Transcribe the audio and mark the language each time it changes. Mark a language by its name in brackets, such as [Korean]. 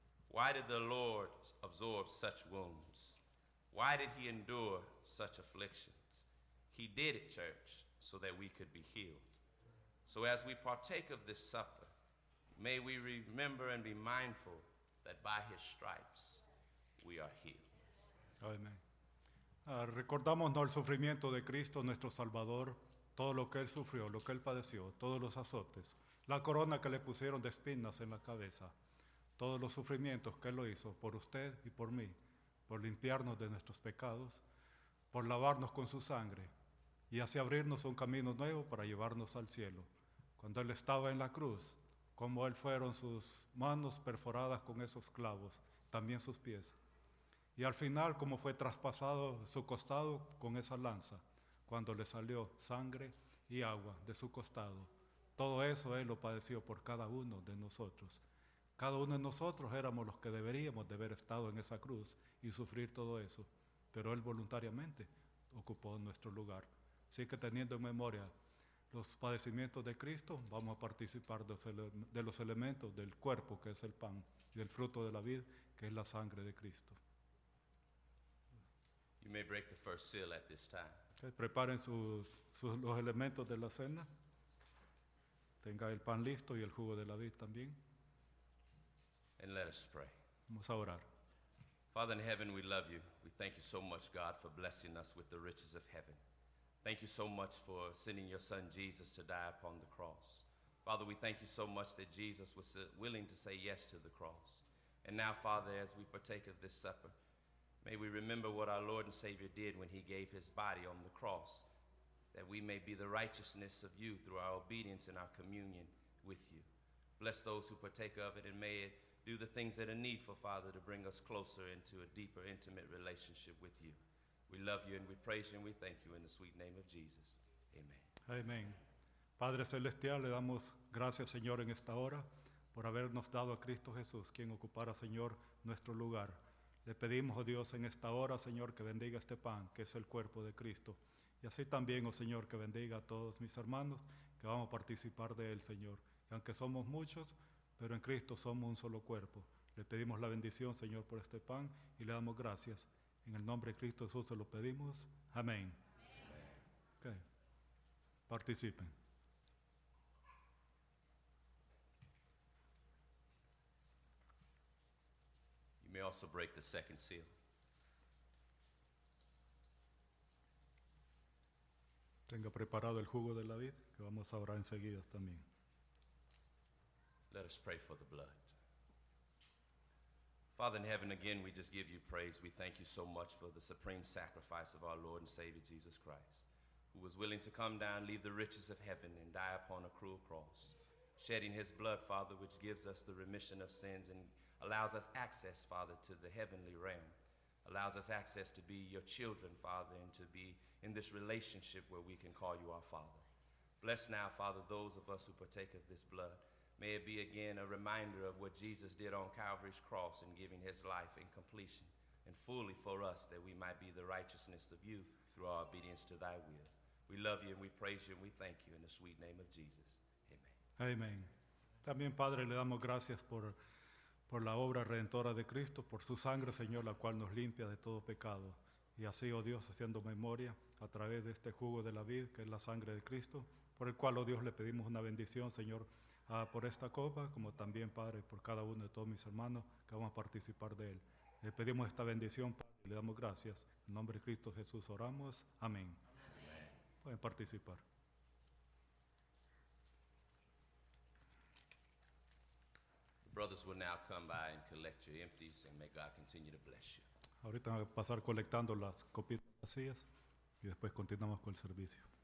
[English] Why did the Lord absorb such wounds? Why did he endure such afflictions? He did it, church, so that we could be healed. So as we partake of this supper, may we remember and be mindful that by his stripes we are healed. Amen. [Spanish] Recordamos el sufrimiento de Cristo, nuestro Salvador, todo lo que él sufrió, lo que él padeció, todos los azotes, la corona que le pusieron de espinas en la cabeza, todos los sufrimientos que él lo hizo por usted y por mí, por limpiarnos de nuestros pecados, por lavarnos con su sangre y así abrirnos un camino nuevo para llevarnos al cielo. Cuando él estaba en la cruz, como él fueron sus manos perforadas con esos clavos, también sus pies. Y al final, como fue traspasado su costado con esa lanza, cuando le salió sangre y agua de su costado. Todo eso él lo padeció por cada uno de nosotros. Cada uno de nosotros éramos los que deberíamos de haber estado en esa cruz y sufrir todo eso, pero Él voluntariamente ocupó nuestro lugar. Así que teniendo en memoria los padecimientos de Cristo, vamos a participar de los elementos del cuerpo, que es el pan, y del fruto de la vid, que es la sangre de Cristo. [English] You may break the first seal at this time. [Spanish] Okay, preparen los elementos de la cena. Tenga el pan listo y el jugo de la vid también. [English] And let us pray. [Spanish] Vamos a orar. [English] Father in heaven, we love you. We thank you so much, God, for blessing us with the riches of heaven. Thank you so much for sending your son Jesus to die upon the cross. Father, we thank you so much that Jesus was willing to say yes to the cross. And now, Father, as we partake of this supper, may we remember what our Lord and Savior did when he gave his body on the cross, that we may be the righteousness of you through our obedience and our communion with you. Bless those who partake of it, and may it do the things that are needful, Father, to bring us closer into a deeper, intimate relationship with you. We love you, and we praise you, and we thank you in the sweet name of Jesus. Amen. Amen. [Spanish] Padre Celestial, le damos gracias, Señor, en esta hora por habernos dado a Cristo Jesús, quien ocupara, Señor, nuestro lugar. Le pedimos, oh Dios, en esta hora, Señor, que bendiga este pan, que es el cuerpo de Cristo. Y así también, oh Señor, que bendiga a todos mis hermanos que vamos a participar de él, Señor. Y aunque somos muchos, pero en Cristo somos un solo cuerpo. Le pedimos la bendición, Señor, por este pan y le damos gracias. En el nombre de Cristo Jesús se lo pedimos. Amén. Okay. Participen. [English] You may also break the second seal. [Spanish] Tenga preparado el jugo de la vid, que vamos a orar enseguida también. [English] Let us pray for the blood. Father in heaven, again, we just give you praise. We thank you so much for the supreme sacrifice of our Lord and Savior Jesus Christ, who was willing to come down, leave the riches of heaven, and die upon a cruel cross, shedding his blood, Father, which gives us the remission of sins and allows us access, Father, to the heavenly realm, allows us access to be your children, Father, and to be in this relationship where we can call you our Father. Bless now, Father, those of us who partake of this blood. May it be again a reminder of what Jesus did on Calvary's cross in giving his life in completion and fully for us, that we might be the righteousness of you through our obedience to thy will. We love you and we praise you and we thank you in the sweet name of Jesus. Amen. Amen. [Spanish] También, Padre, le damos gracias por la obra redentora de Cristo, por su sangre, Señor, la cual nos limpia de todo pecado. Y así, oh Dios, haciendo memoria a través de este jugo de la vid, que es la sangre de Cristo, por el cual, oh Dios, le pedimos una bendición, Señor, por esta copa, como también, Padre, por cada uno de todos mis hermanos que vamos a participar de él. Le pedimos esta bendición, Padre, y le damos gracias. En nombre de Cristo Jesús oramos. Amén. Amén. Pueden participar. [English] Brothers will now come by and collect your empties, and may God continue to bless you. [Spanish] Ahorita vamos a pasar colectando las copitas vacías y después continuamos con el servicio.